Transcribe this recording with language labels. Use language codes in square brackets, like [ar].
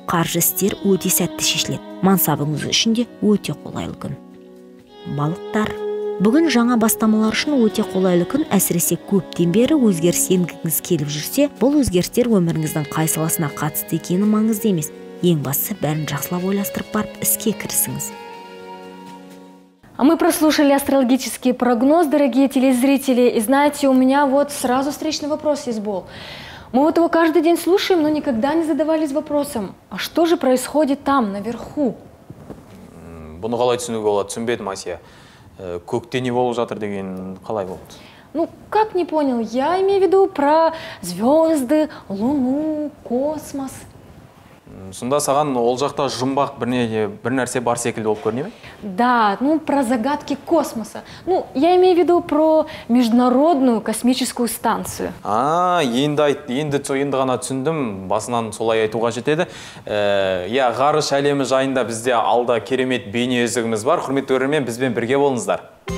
[kk] Қаржы істер өте сәтті шешіледі. Мансабыңыз үшін де өте қолайлы күн. Балықтар, бүгін жаңа бастамалар үшін өте қолайлы күн, әсіресе көптен бері өзгеріс енгізгіңіз келіп жүрсе, бұл өзгерістер өміріңіздің қай саласына қатысты екені маңызды емес. Ең бастысы бәрін жақсылап ойластырып барып, іске кірісіңіз. [ru] А мы прослушали астрологический прогноз, дорогие телезрители. И знаете, у меня вот сразу встречный вопрос есть был. Мы вот его каждый день слушаем, но никогда не задавались вопросом. А что же происходит там, наверху? [kk] Бұны қалай түсіну болады? Түсінбедім, Асия. Көкте не болып жатыр деген қалай болды? [ru] Ну, как не понял? Я имею в виду про звезды, луну, космос. [kk] Сонда саған ол жақта жұмбақ бір нәрсе бар секілді болып көрінеме? [ru] Да, ну про загадки космоса. Ну, я имею в виду про международную космическую станцию. [kk] А, енді ғана түсіндім, басынан солай айтуға жетеді. Я, ғарыш әлемі жайында бізде алда керемет бейне өзігіміз бар. Құрметті көрермен, бізбен бірге болыңыздар.